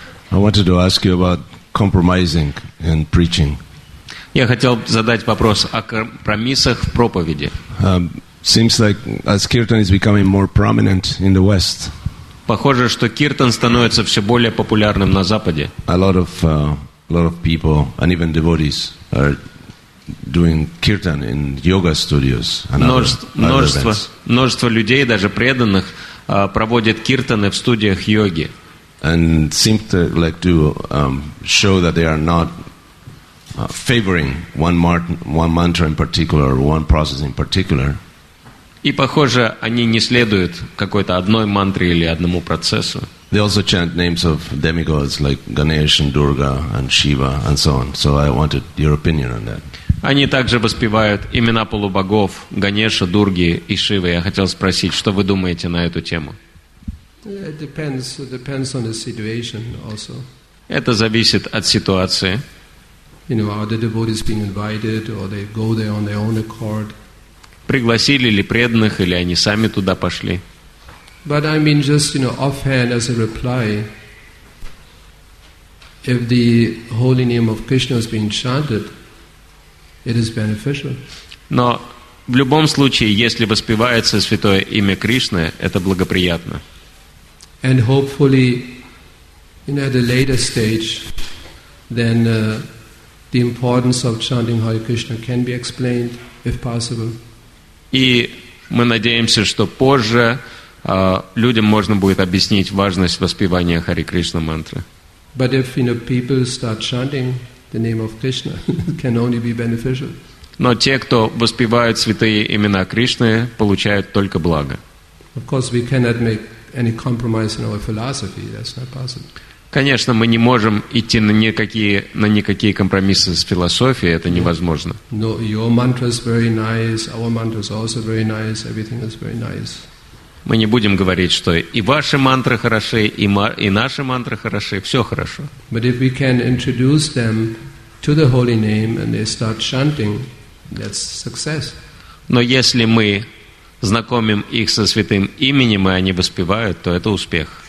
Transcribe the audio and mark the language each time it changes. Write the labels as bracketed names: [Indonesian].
[English] I wanted to ask you about compromising in preaching. [Russian] Я хотел задать вопрос о компромиссах в проповеди. [English] Seems like as kirtan is becoming more prominent in the West. [Russian] Похоже, что киртан становится все более популярным на Западе. [English] A lot of people and even devotees are doing kirtan in yoga studios and [Russian] множество людей, даже преданных, проводят киртаны в студиях йоги. [English] And seem to like to show that they are not favoring one mantra in particular or one process in particular. [Russian] И похоже, они не следуют какой-то одной мантре или одному процессу. [English] They also chant names of demigods like Ganesh and Durga and Shiva and so on. So I wanted your opinion on that. [Russian] Они также воспевают имена полубогов Ганеша, Дурги и Шивы. Я хотел спросить, что вы думаете на эту тему? [English] It depends on the situation also. [Russian] Это зависит от ситуации. [English] You know, are the devotees being invited or they go there on their own accord? [Russian] Пригласили ли преданных, или они сами туда пошли? [English] But I mean just, you know, offhand as a reply, if the holy name of Krishna is being chanted, it is beneficial. [Russian] Но в любом случае, если воспевается святое имя Кришны, это благоприятно. [English] And hopefully, you know, at a later stage, then the importance of chanting Hare Krishna can be explained, if possible. [Russian] И мы надеемся, что позже людям можно будет объяснить важность воспевания Харе Кришна мантры. [English] But if, you know, people start chanting the name of Krishna, it can only be beneficial. [Russian] Но те, кто воспевают святые имена Кришны, получают только благо. [English] Of course, we cannot make any compromise in our philosophy. That's not possible. [Russian] Конечно, мы не можем идти на никакие компромиссы с философией, это невозможно. [English] No, your mantra is very nice, our mantra is also very nice, everything is very nice. [Russian] Мы не будем говорить, что и ваши мантры хороши, и наши мантры хороши, все хорошо. [English] But if we can introduce them to the holy name and they start chanting, that's success. [Russian] Но если мы знакомим их со святым именем, и они воспевают, то это успех.